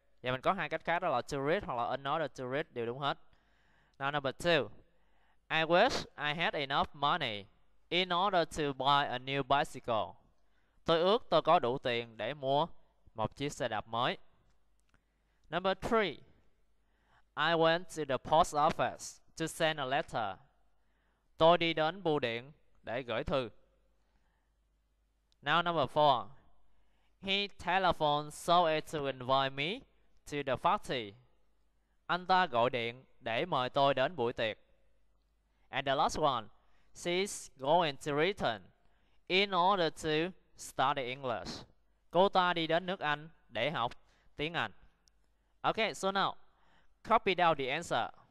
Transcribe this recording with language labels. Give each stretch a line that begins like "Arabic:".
Vietnamese: Và mình có hai cách khác đó là to read hoặc là in order to read đều đúng hết.
English: Now, number two. I wish I had enough money in order to buy a new bicycle.
Vietnamese: Tôi ước tôi có đủ tiền để mua một chiếc xe đạp mới.
English: Number 3. I went to the post office to send a letter.
Vietnamese: Tôi đi đến bưu điện để gửi thư.
English: Now number 4. He telephoned so as to invite me to the party.
Vietnamese: Anh ta gọi điện để mời tôi đến buổi tiệc.
English: And the last one. She's going to Britain in order to study English.
Vietnamese: Cô ta đi đến nước Anh để học tiếng Anh.
English: Okay, so now, copy down the answer.